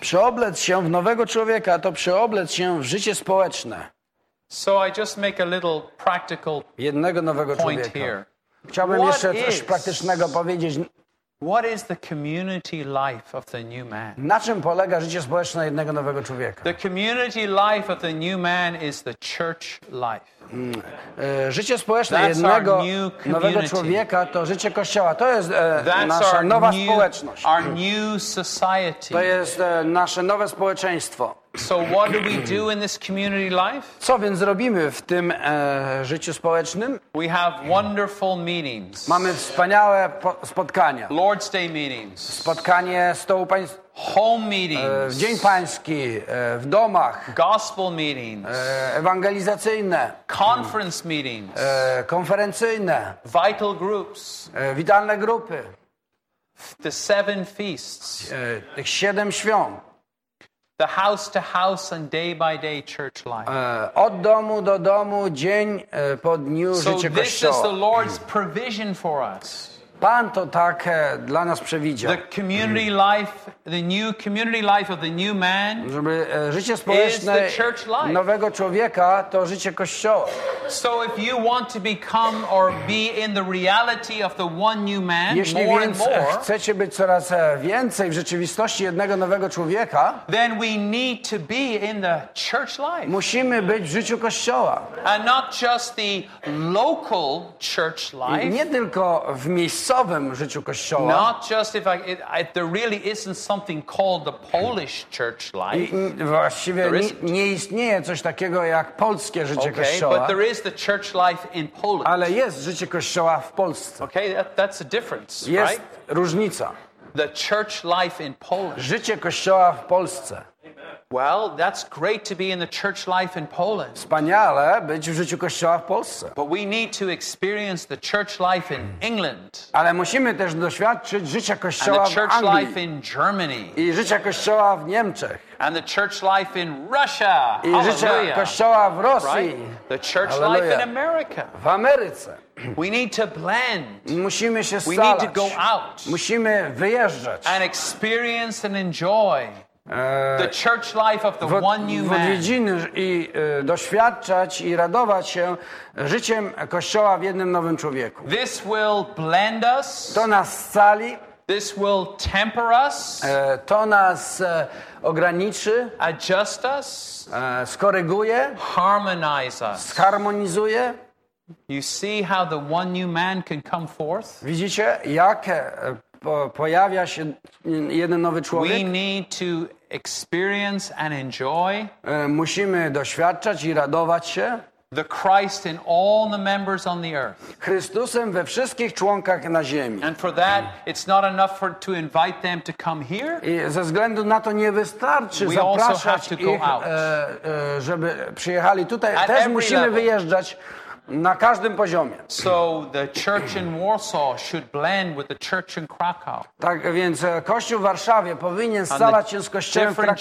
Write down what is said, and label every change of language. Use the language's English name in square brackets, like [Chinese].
[Polish] Przeoblec się w nowego człowieka to przeoblec się w życie społeczne. [English] So I just make a little practical [Polish] jednego nowego [English] point [Polish] człowieka [English] here. [Polish] Chciałbym jeszcze coś praktycznego powiedzieć. [English] What is the community life of the new man? [Polish] Na czym polega życie społeczne jednego nowego człowieka? [English] The community life of the new man is the church life. [Polish] Życie społeczne jednego nowego człowieka to życie kościoła. To jest nasza nowa społeczność. [English] Our new society. [Polish] To jest nasze nowe społeczeństwo. [English] So what do we do in this community life? [Polish] Co więc zrobimy w tym życiu społecznym? [English] We have wonderful meetings. [Polish] Mamy wspaniałe spotkania. [English] Lord's Day meetings. [Polish] Spotkanie stołu pańskiego. [English] Home meetings. [Polish] Dzień pański w domach. [English] Gospel meetings. [Polish] Ewangelizacyjne. [English] Conference meetings. [Polish] Konferencyjne. [English] Vital groups. [Polish] Witalne grupy. [English] The seven feasts. [Polish] Tych siedem świąt. [English] The house to house and day by day church life. [Polish] Od domu do domu, dzień po dniu życie kościoła. [English] So this is the Lord's provision for us. [Polish] Pan to tak dla nas przewidział. [English] The community life, the new community life of the new man. [Polish] Żeby życie społeczne nowego człowieka to życie kościoła. [English] So if you want to become or be in the reality of the one new man, [Polish] jeśli [English] more [Polish] więc [English] and more, [Polish] chcecie być coraz więcej w rzeczywistości jednego nowego człowieka, [English] then we need to be in the church life. [Polish] Musimy być w życiu kościoła. [English] And not just the local church life. [Polish] Nie tylko w miejscowym życiu kościoła. [English] Not just if there really isn't something called the Polish church life. [Polish] Właściwie nie istnieje coś takiego jak polskie życie kościoła. [English] But there is the church life in Poland. [Polish] Ale jest życie kościoła w Polsce. [English] Okay, that's a difference, right? [Polish] Jest różnica. [English] The church life in Poland. [Polish] Życie kościoła w Polsce. [English] Well, that's great to be in the church life in Poland. [Polish] Wspaniale być w życiu kościoła w Polsce. [English] But we need to experience the church life in England. [Polish] Ale musimy też doświadczyć życia kościoła w Anglii. [English] And the church life in Germany. [Polish] I życia kościoła w Niemczech. [English] And the church life in Russia. [Polish] I życia kościoła w Rosji. [English] Right? The church life in America. [Polish] W Ameryce. [English] We need to blend. [Polish] Musimy się scalać. [English] We need to go out. [Polish] Musimy wyjeżdżać. [English] And experience and enjoy. The church life of the one new man. [Polish] W odwiedziny i doświadczać i radować się życiem kościoła w jednym nowym człowieku. [English] This will blend us. [Polish] To nas scali. [English] This will temper us. [Polish] To nas ograniczy. [English] Adjust us. [Polish] Skoryguje. [English] Harmonize us. [Polish] Zharmonizuje. [English] You see how the one new man can come forth? [Polish] Widzicie, jak pojawia się jeden nowy człowiek. [English] We need to experience and enjoy. [Polish] Musimy doświadczać i radować się. [English] The Christ in all the members on the earth. [Polish] Chrystusem we wszystkich członkach na ziemi. [English] And for that, it's not enough to invite them to come here. [Polish] I ze względu na to nie wystarczy [English] we [Polish] zapraszać [English] also have to [Polish] ich, [English] go out. [Polish] Żeby przyjechali tutaj. [English] At [Polish] też musimy [English] level. [Polish] Wyjeżdżać. Na każdym poziomie. So the church in Warsaw should blend with the church in Krakow. Tak więc kościół w Warszawie powinien scalać się z kościołem w Krakowie.